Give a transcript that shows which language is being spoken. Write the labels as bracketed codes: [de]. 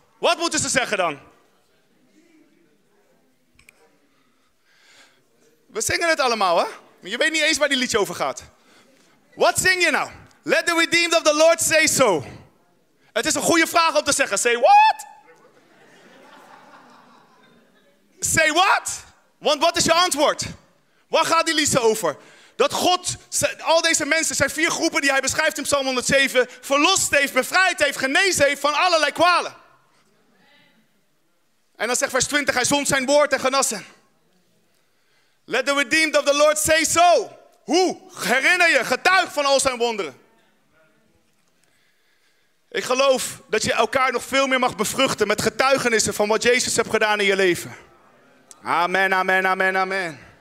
[nl] Wat moeten ze zeggen dan? We zingen het allemaal, hè? Maar je weet niet eens waar die liedje over gaat. Wat zing je nou? [en] Let the redeemed of the Lord say so. [nl] Het is een goede vraag om te zeggen. [en] Say what? Say what? [nl] Want wat is je antwoord? Waar gaat die liedje over? Dat God, al deze mensen, zijn vier groepen die hij beschrijft in Psalm 107, verlost heeft, bevrijd heeft, genezen heeft van allerlei kwalen. En dan zegt vers 20, hij zond zijn woord en genas hen. [en] Let the redeemed of the Lord say so. [nl] Hoe? Herinner je, getuig van al zijn wonderen. Ik geloof dat je elkaar nog veel meer mag bevruchten met getuigenissen van wat Jezus hebt gedaan in je leven. Amen, amen, amen, amen.